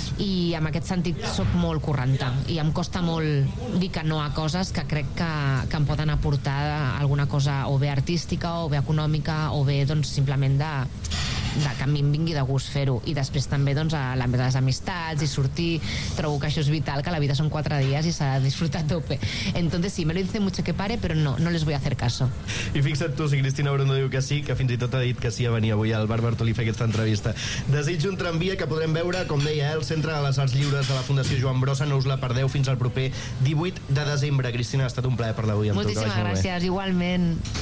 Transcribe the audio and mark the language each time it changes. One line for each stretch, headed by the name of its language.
Catalan: I en aquest sentit sóc molt corranta i em costa molt dir que no a coses que crec que em poden aportar alguna cosa o bé artística o bé econòmica o bé doncs, simplement de que a mi em vingui de gust fer-ho. I després també doncs, a les amistats i sortir. Trobo que això és vital, que la vida són 4 dies i s'ha de disfrutar a tope.
Spanish: Entonces sí, me lo dice mucho que pare, pero no les voy a hacer caso.
Catalan: I fixa't tu, si Cristina Brondo diu que sí, que fins i tot ha dit que sí a venir avui al Bar Bartolí a fer aquesta entrevista. Desig, un tramvia que podrem veure, com deia, el Centre de les Arts Lliures de la Fundació Joan Brossa. No us la perdeu fins al proper 18 de desembre. Cristina, ha estat un plaer parlar avui amb moltíssima Moltíssimes gràcies, igualment.